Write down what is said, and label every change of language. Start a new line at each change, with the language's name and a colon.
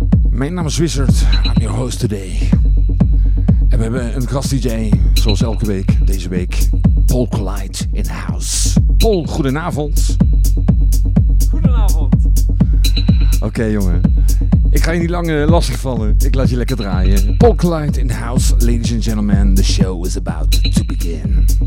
Dutch: Mijn naam is Wizard,
English: I'm your host today.
Dutch: En we hebben een gast DJ, zoals elke week, deze week, Paul Collide in house. Paul, goedenavond. Goedenavond. Oké, jongen. Ik ga je niet lang lastigvallen. Ik laat je lekker draaien.
English: Paul Collide in house, ladies and gentlemen, the show is about to begin.